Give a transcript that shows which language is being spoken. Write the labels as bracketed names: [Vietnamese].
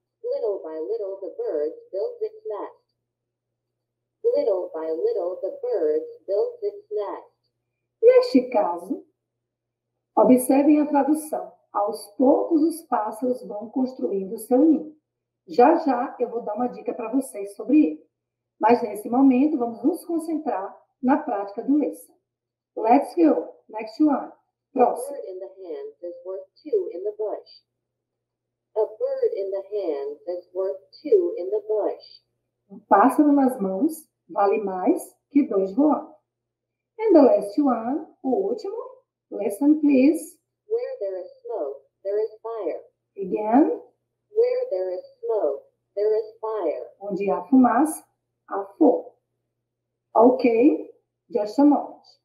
[English] Little by little, the birds build its nest. Little by little, the birds build its nest. [Portuguese] Neste caso, observem a tradução. Aos poucos, os pássaros vão construindo o seu ninho. Já, já, eu vou dar uma dica para vocês sobre ele. Mas, nesse momento, vamos nos concentrar na prática do lesson. [English] Let's go. Next one. [Portuguese] Próximo. [English] A bird in the hand is worth two in the bush. A bird in the hand is worth two in the bush. [Portuguese] Um pássaro nas mãos vale mais que dois voando. [English] And the last one, [Portuguese] o último. [English] Listen, please. Where there is smoke, there is fire. Again. Where there is smoke, there is fire. [Portuguese] Onde há fumaça, há fogo. [English] Ok, just a moment.